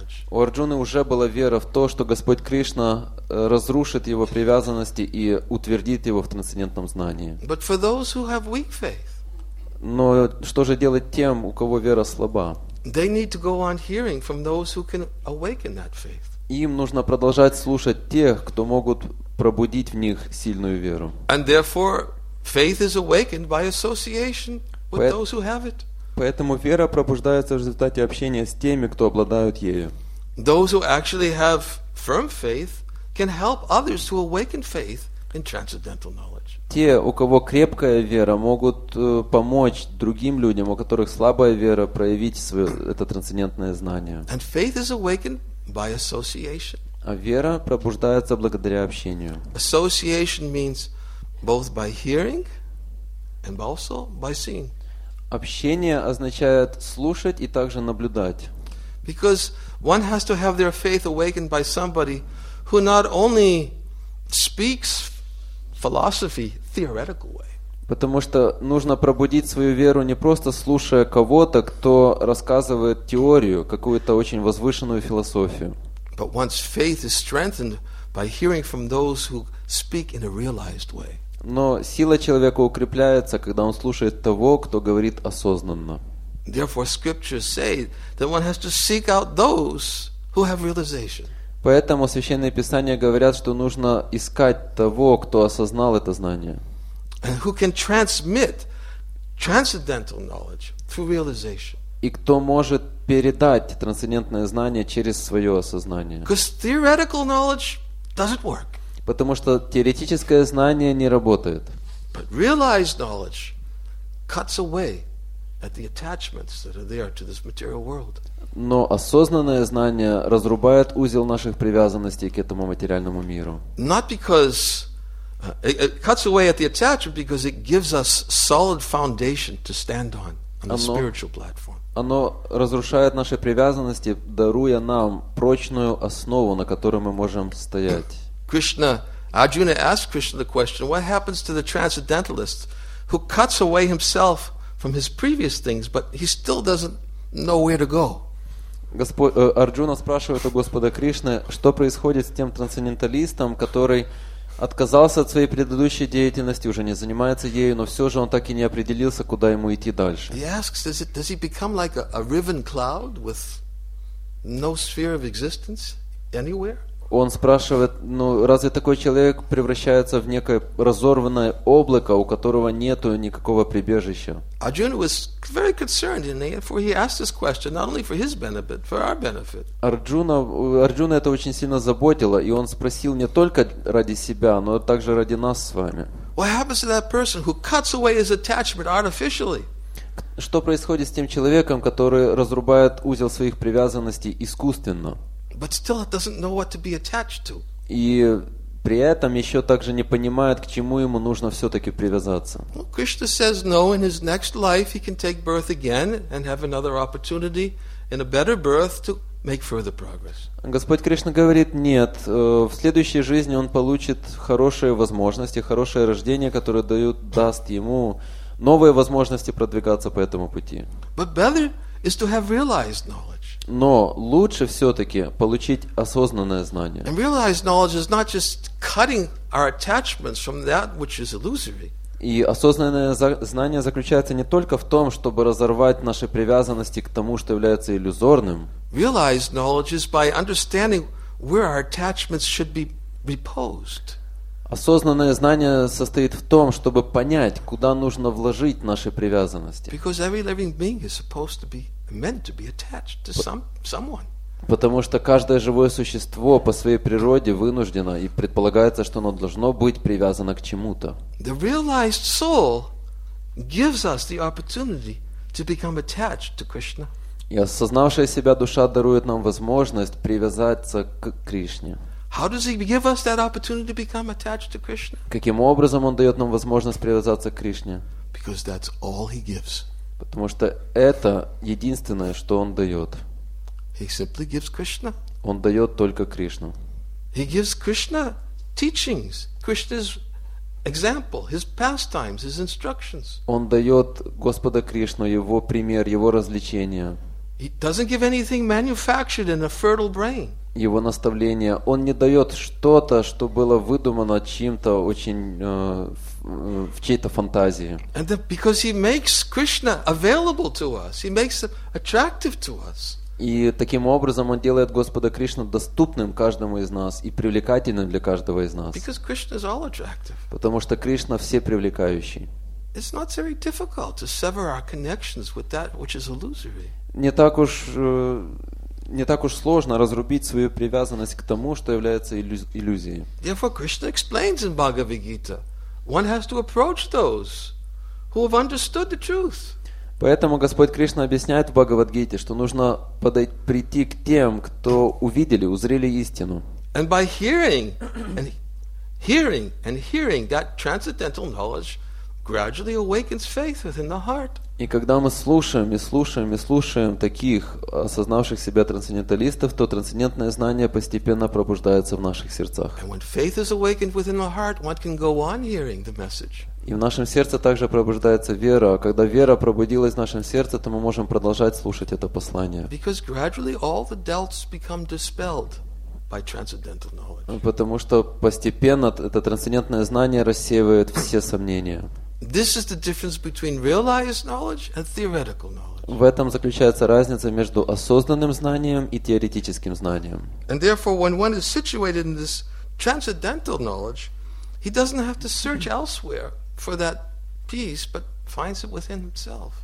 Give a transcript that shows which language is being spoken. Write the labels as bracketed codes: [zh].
[ru] У Арджуны уже была вера в то, что Господь Кришна разрушит его привязанности и утвердит его в трансцендентном знании. [en] But for those who have weak faith, [ru] но что же делать тем, у кого вера слаба? [en] They need to go on hearing from those who can awaken that faith. [ru] Им нужно продолжать слушать тех, кто могут пробудить в них сильную веру. [en] And therefore, faith is awakened by association with those who have it. [ru] Поэтому вера пробуждается в результате общения с теми, кто обладают ею. [en] Those who actually have firm faith can help others to awaken faith in transcendental knowledge. [ru] Те, у кого крепкая вера, могут помочь другим людям, у которых слабая вера, проявить свое это трансцендентное знание. [en] And faith is awakened by association. [ru] А вера пробуждается благодаря общению. [en] Association means both by hearing and also by seeing. [ru] Общение означает слушать и также наблюдать. [en] Because one has to have their faith awakened by somebody who not only speaks philosophy theoretical way. [ru] Потому что нужно пробудить свою веру не просто слушая кого-то, кто рассказывает теорию, какую-то очень возвышенную философию. [en] But once faith is strengthened by hearing from those who speak in a realized way. [ru] Но сила человека укрепляется, когда он слушает того, кто говорит осознанно. [en] Therefore, scriptures say that one has to seek out those who have realization. [ru] Поэтому священные писания говорят, что нужно искать того, кто осознал это знание. [en] And who can transmit transcendental knowledge through realization. [ru] И кто может передать трансцендентное знание через свое осознание. [en] Because theoretical knowledge doesn't work. [ru] Потому что теоретическое знание не работает. [en] But realized knowledge cuts away at the attachments that are there to this material world. [ru] Но осознанное знание разрубает узел наших привязанностей к этому материальному миру. [en] Not because it cuts away at the attachment because it gives us solid foundation to stand on the spiritual platform. [ru] Оно разрушает наши привязанности, даруя нам прочную основу, на которой мы можем стоять. [en] Krishna, Arjuna asked Krishna the question, what happens to the transcendentalist who cuts away himself from his previous things, but he still doesn't know where to go? [ru] Арджуна спрашивает у Господа Кришны, что происходит с тем трансценденталистом, который отказался от своей предыдущей деятельности, уже не занимается ею, но все же он так и не определился, куда ему идти дальше. [en] He asks, does he become like a riven cloud with no sphere of existence anywhere? [ru] Он спрашивает, ну разве такой человек превращается в некое разорванное облако, у которого нету никакого прибежища? [en] Arjuna was very concerned, and therefore he asked this question not only for his benefit, for our benefit. [ru] Арджуна это очень сильно заботило, и он спросил не только ради себя, но также ради нас с вами. [en] What happens to that person who cuts away his attachment artificially? [ru] Что происходит с тем человеком, который разрубает узел своих привязанностей искусственно? [en] But still it doesn't know what to be attached to. [ru] И при этом еще также не понимает, к чему ему нужно все-таки привязаться. [en] Well, Krishna says no, in his next life he can take birth again and have another opportunity in a better birth to make further progress. [ru] Господь Кришна говорит, нет, в следующей жизни он получит хорошие возможности, хорошее рождение, которое даст ему новые возможности продвигаться по этому пути. [en] But better is to have realized knowledge. [ru] Но лучше все-таки получить осознанное знание. [en] And realized knowledge is not just cutting our attachments from that which is illusory. [ru] И осознанное знание заключается не только в том, чтобы разорвать наши привязанности к тому, что является иллюзорным. [en] Realized knowledge is by understanding where our attachments should be reposed. [ru] Осознанное знание состоит в том, чтобы понять, куда нужно вложить наши привязанности. [en] Because every living being is supposed to be meant to be attached to someone. [ru] Потому что каждое живое существо по своей природе вынуждено и предполагается, что оно должно быть привязано к чему-то. [en] The realized soul gives us the opportunity to become attached to Krishna. [ru] И осознавшая себя душа дарует нам возможность привязаться к Кришне. [en] How does he give us that opportunity to become attached to Krishna? [ru] Каким образом он дает нам возможность привязаться к Кришне? [en] Because that's all he gives. [ru] Потому что это единственное, что он дает. [en] He simply gives Krishna. [ru] Он дает только Кришну. [en] He gives Krishna teachings, Krishna's example, his pastimes, his instructions. [ru] Он дает Господа Кришну его пример, его развлечения. [en] He doesn't give anything manufactured in a fertile brain. [ru] Его наставления. Он не дает что-то, что было выдумано чьим-то очень в чьей-то фантазии. [en] And then because he makes Krishna available to us, he makes him attractive to us. [ru] И таким образом он делает Господа Кришну доступным каждому из нас и привлекательным для каждого из нас. [en] Because Krishna is all attractive. [ru] Потому что Кришна все привлекающий. [en] It's not very difficult to sever our connections with that which is illusory. [ru] Не так уж не так уж сложно разрубить свою привязанность к тому, что является иллюзией. [en] Therefore, Krishna explains in Bhagavad Gita, one has to approach those who have understood the truth. [ru] Поэтому Господь Кришна объясняет в Бхагавад-гите, что нужно прийти к тем, кто увидели, узрели истину. [en] And by hearing, and hearing, and hearing, that transcendental knowledge gradually awakens faith within the heart. [ru] И когда мы слушаем и слушаем и слушаем таких осознавших себя трансценденталистов, то трансцендентное знание постепенно пробуждается в наших сердцах. [en] And when faith is awakened within the heart, one can go on hearing the message. [ru] И в нашем сердце также пробуждается вера. А когда вера пробудилась в нашем сердце, то мы можем продолжать слушать это послание. [en] Because gradually all the doubts become dispelled by transcendental knowledge. [ru] Потому что постепенно это трансцендентное знание рассеивает все сомнения. [en] This is the difference between realized knowledge and theoretical knowledge. [ru] В этом заключается разница между осознанным знанием и теоретическим знанием. [en] And therefore, when one is situated in this transcendental knowledge, he doesn't have to search elsewhere for that peace, but finds it within himself.